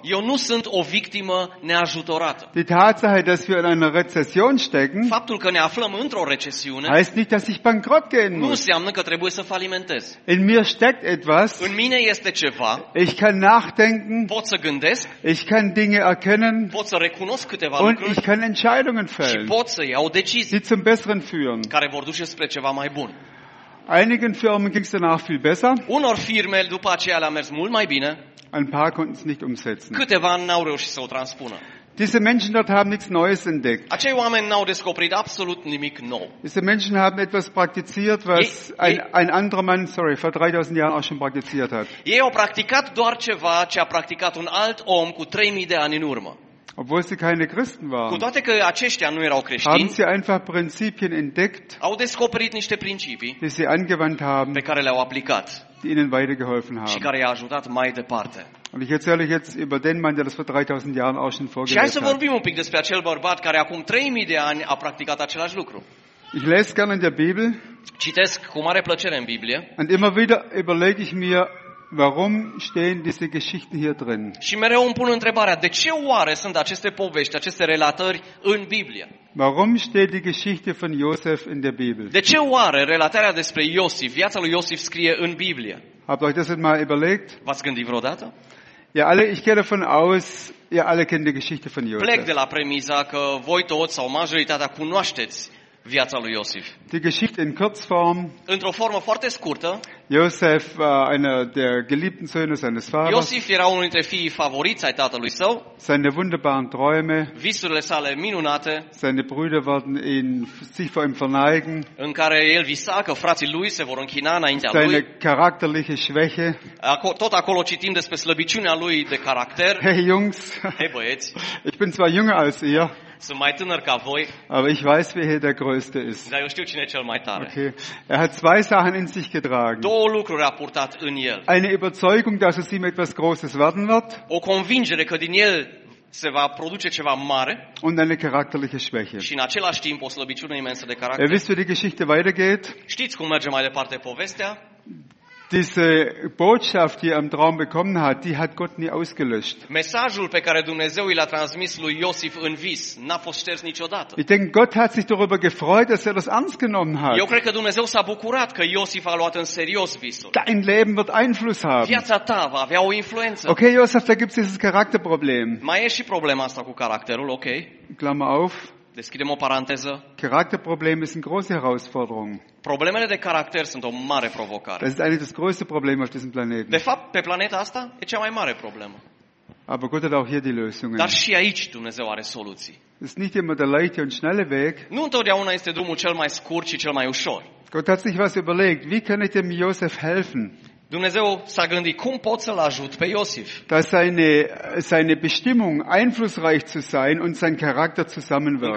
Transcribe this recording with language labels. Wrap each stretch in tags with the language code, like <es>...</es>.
<ro>Eu nu sunt o victimă neajutorată.</ro> <de>Die Tatsache, dass wir in einer Rezession stecken,</de> <ro>faptul că ne aflăm într-o recesiune,</ro> <de>heißt nicht, dass ich bankrott gehen muss.</de> <ro>Nu înseamnă că trebuie să falimentez.</ro> <de>In mir steckt etwas.</de> <ro>În mine este ceva.</ro> <de>Ich kann nachdenken.</de> <ro>Pot să gândesc.</ro> <de>Ich kann Dinge erkennen.</de> <ro>Pot să recunosc câteva</ro> <de>und</de> <ro>lucruri.</ro> <de>Und ich kann Entscheidungen fällen.</de> <ro>Și pot să iau decizii.</ro> <de>Die zum Besseren führen.</de> <ro>Care vor duce spre ceva mai bun.</ro> <de>Einigen Firmen ging es danach viel besser.</de> <ro>Unor firme după aceea le-a mers mult mai bine.</ro> <de>Ein paar konnten es nicht umsetzen.</de> <ro>Câteva n-au reușit să o transpună.</ro> <de>Diese Menschen dort haben nichts Neues entdeckt.</de> <ro>Acei oameni n-au descoperit absolut nimic nou.</ro> <de>Diese Menschen haben etwas praktiziert, was ein anderer Mann, sorry, vor 3000 Jahren auch schon praktiziert hat.</de> <ro>Ei au practicat doar ceva ce a practicat un alt om cu 3000 de ani în urmă.</ro> <de>Obwohl sie keine Christen waren.</de> <ro>Cu toate că aceștia nu erau creștini.</ro> <de>Haben sie einfach Prinzipien entdeckt.</de> <ro>Au descoperit niște principii.</ro> <de>Die sie angewandt haben.</de> <ro>Pe care le-au aplicat.</ro> <de>Die ihnen weitergeholfen haben.</de> <ro>Și care i-a ajutat mai departe.</ro> <de>Und ich erzähle euch jetzt über den Mann, der das vor 3000 Jahren auch schon vorgelebt hat.</de> <ro>Și hai să vorbim un pic despre acel bărbat care acum 3000 de ani a practicat același lucru.</ro> <de>Ich lese gerne in der Bibel.</de> <ro>Citesc cu mare plăcere în Biblie.</ro> <de>Und immer wieder überlege ich mir, warum stehen diese Geschichten hier drin?</de> <ro>Și mereu îmi pun întrebarea, de ce oare sunt aceste povești, aceste relatări în Biblie?</ro> <de>Warum steht die Geschichte von Josef in der Bibel?</de> <ro>De ce oare relatarea despre Iosif, viața lui Iosif scrie în Biblie?</ro> <de>Habt euch das mal überlegt?</de> <ro>V-ați gândit vreodată?</ro> <de>Ja, alle, ich gehe davon aus, ihr alle kennt die Geschichte von Josef.</de> <ro>Plec de la premisa că voi toți sau majoritatea cunoașteți viața lui Iosif.</ro> <de>Die Geschichte in Kurzform.</de> <ro>Într-o formă foarte scurtă.</ro> <de>Josef war einer der geliebten Söhne seines Vaters.</de> <ro>Iosif era unul dintre fiii favoriți ai tatălui său.</ro> <de>Seine wunderbaren Träume.</de> <ro>Visurile sale minunate.</ro> <de>Seine Brüder wollten ihn sich vor ihm verneigen.</de> <ro>În care el visa că frații lui se vor închina înaintea lui.</ro> <de>Seine charakterliche Schwäche.</de> <ro>Tot acolo citim despre slăbiciunea lui de caracter.</ro> <de>Hey Jungs.</de> <ro>Hey băieți.</ro> <de>Ich bin zwar jünger als ihr.</de> <ro>Sunt mai tânăr ca voi.</ro> <de>Aber ich weiß, wer hier der Größte ist.</de> <ro>Dar eu știu cine e cel mai tare. Okay.</ro> <de>Er hat zwei Sachen in sich getragen.</de> <ro>Două lucruri a purtat în el.</ro> <de>Eine Überzeugung, dass es ihm etwas Großes werden wird.</de> <ro>O convingere că din el se va produce ceva mare.</ro> <de>Und eine charakterliche Schwäche.</de> <ro>Și în același timp o slăbiciune imensă de caracter.</ro> <de>Ihr wisst, wie die Geschichte weitergeht.</de> <ro>Știți cum merge mai departe povestea?</ro> <de>Diese Botschaft, die er im Traum bekommen hat, die hat Gott nie ausgelöscht.</de> <ro>Mesajul pe care Dumnezeu i l-a transmis lui Iosif în vis n-a fost șters niciodată.</ro> <de>Ich denke, Gott hat sich darüber gefreut, dass er das ernst genommen hat.</de> <ro>Eu cred că Dumnezeu s-a bucurat că Iosif a luat în serios visul.</ro> <de>Dein Leben wird Einfluss haben.</de> <ro>Viața ta va avea o influență.</ro> <de>Okay, Josef, da gibt es dieses Charakterproblem.</de> <ro>Mai e și problema asta cu caracterul, okay.</ro> <de>Klammer auf.</de> <ro>Deschidem o paranteză.</ro> <de>Charakterproblem ist eine große Herausforderung.</de> <ro>Problemele de caracter sunt o mare provocare.</ro> <de>Das ist eigentlich das größte Problem auf diesem Planeten.</de> <ro>De fapt, pe planeta asta e cea mai mare problemă.</ro> <de>Aber Gott hat auch hier die Lösungen.</de> <ro>Dar și aici Dumnezeu are soluții.</ro> <de>Ist nicht immer der leichte und schnelle Weg.</de> <ro>Nu întotdeauna este drumul cel mai scurt și cel mai ușor.</ro> <de>Gott hat sich was überlegt. Wie kann ich dem Josef helfen?</de> <ro>Dumnezeu s-a gândit cum pot să-l ajut pe Iosif.</ro> <de>Dass seine Bestimmung einflussreich zu sein und sein Charakter zusammenwirken.</de>